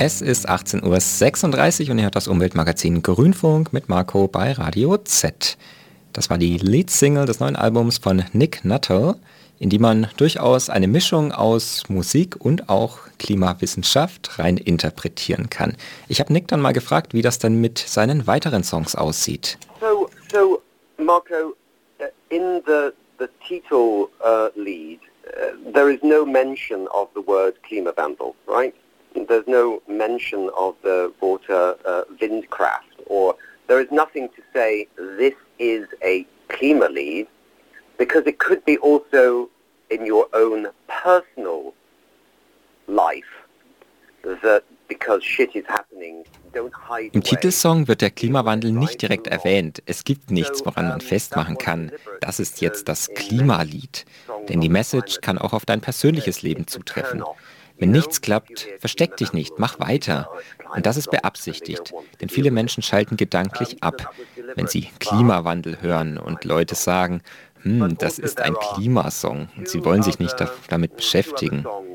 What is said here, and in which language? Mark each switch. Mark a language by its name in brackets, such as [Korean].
[German] Es ist 18.36 Uhr und ihr hört das Umweltmagazin Grünfunk mit Marco bei Radio Z. Das war die Lead-Single des neuen Albums von Nick Nuttall, in die man durchaus eine Mischung aus Musik und auch Klimawissenschaft rein interpretieren kann. Ich habe Nick dann mal gefragt, wie das denn mit seinen weiteren Songs aussieht. [English] So Marco, in the title lead, there is no mention of the word Klimawandel, right? There's no mention of the water Windkraft, or there is nothing to say this is a Klima lead, because it could be also in your own personal life that because shit is happening, don't hide. [German] Im Titelsong wird der Klimawandel nicht direkt erwähnt. Es gibt nichts, woran man festmachen kann. Das ist jetzt das Klimalied. Denn die Message kann auch auf dein persönliches Leben zutreffen. Wenn nichts klappt, versteck dich nicht, mach weiter. Und das ist beabsichtigt, denn viele Menschen schalten gedanklich ab, wenn sie Klimawandel hören und Leute sagen, das ist ein Klimasong und sie wollen sich nicht damit beschäftigen.